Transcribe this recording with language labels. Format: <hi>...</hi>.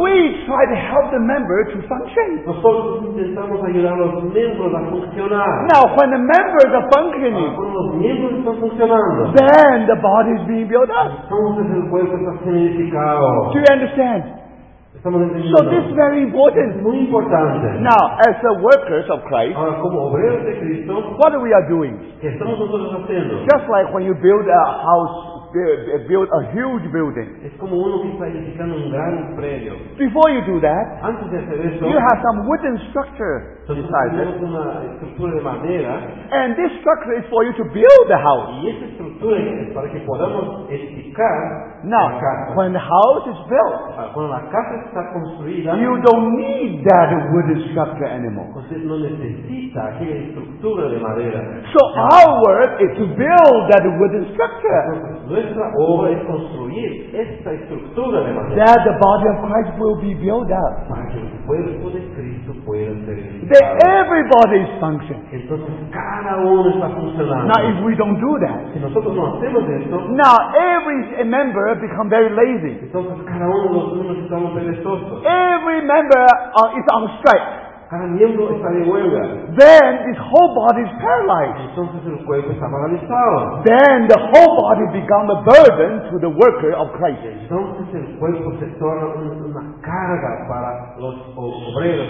<en>we try to help the member to function.</en> <es>Nosotros intentamos ayudar a los miembros a funcionar.</es> <en>Now, when the members are functioning, then the body is being built up.</en> <es>Entonces el cuerpo está siendo edificado.</es> <en>Do you understand? So this is very important.</en> <es>Muy importante.</es> <en>Now, as the workers of Christ,</en> <es>ahora, como obreros de Cristo,</es> <en>what are we are doing?</en> <es>¿Qué estamos nosotros haciendo?</es> <en>Just like when you build a house, build a huge building.</en> <es>Es como uno que está edificando un gran predio.</es> <en>Before you do that,</en> <es>antes de hacer eso,</es> <en>you have some wooden structure inside it.</en> <es>Una estructura de madera,</es> <en>and this structure is for you to build the house.</en> <es>Y esa estructura es para que podamos edificar.</es> <en>Now,</en> <es>la casa.</es> <en>When the house is built,</en> <es>cuando la casa está construida,</es> <en>you don't need that wooden structure anymore.</en> <es>Usted no necesita aquella estructura de madera.</es> <en>So our work is to build that wooden structure.</en> <es>Nuestra obra es construir esta estructura de madera.</es> <en>That the body of Christ will be built up.</en> <es>Para que el cuerpo de Cristo pueda ser edificado.</es> <en>That everybody is functioning.</en> <es>Entonces cada uno está funcionando.</es> <en>Now if we don't do that,</en> <es>si nosotros no hacemos esto,</es> <en>now every member become very lazy.</en> <es>Entonces cada uno de los miembros estamos perezosos.</es> <en>Every member is on strike.</en> <es>Cada miembro está de huelga.</es> <en>Then this whole body is paralyzed.</en> <es>Entonces el cuerpo está paralizado.</es> <en>Then the whole body becomes a burden to the worker of Christ.</en> <es>Entonces el cuerpo se torna una carga para los obreros.</es>